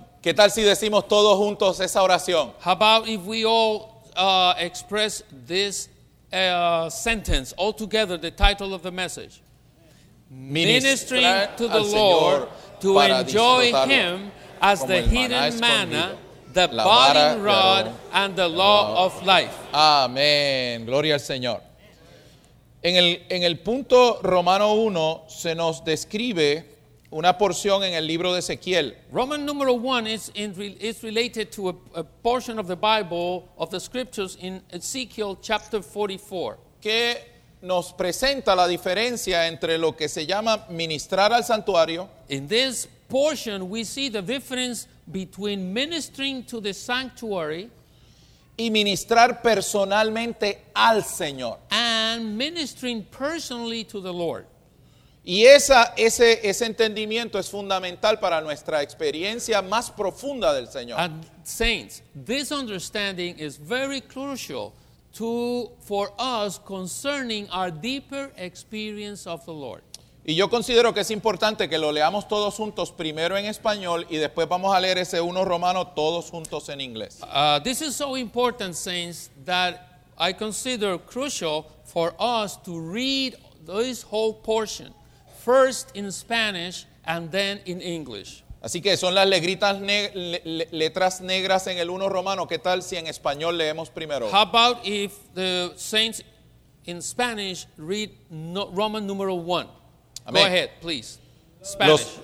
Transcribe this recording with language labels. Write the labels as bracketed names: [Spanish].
[Spanish] ¿Qué tal si decimos todos juntos esa oración? [English] How about if we all express this sentence altogether, the title of the message. Ministering to the Lord to enjoy Him as the hidden manna, the budding rod, and the law of life. [Spanish] Amén. Gloria al Señor. En el punto Romano 1 se nos describe una porción en el libro de Ezequiel. [English] Roman número 1 is related to a portion of the Bible, of the scriptures in Ezekiel chapter 44. [Spanish] Que nos presenta la diferencia entre lo que se llama ministrar al santuario. [English] In this portion we see the difference between ministering to the sanctuary. [Spanish] Y ministrar personalmente al Señor. [English] And ministering personally to the Lord. [Spanish] Y ese entendimiento es fundamental para nuestra experiencia más profunda del Señor. [English] And saints, this understanding is very crucial for us concerning our deeper experience of the Lord. [Spanish] Y yo considero que es importante que lo leamos todos juntos, primero en español y después vamos a leer ese uno romano todos juntos en inglés. [English] This is so important, saints, that I consider crucial for us to read this whole portion. First in Spanish and then in English. [Spanish] Así que son las letras letras negras en el uno romano. ¿Qué tal si en español leemos primero? [English] How about if the saints in Spanish read Roman número 1? Go ahead, please. Spanish.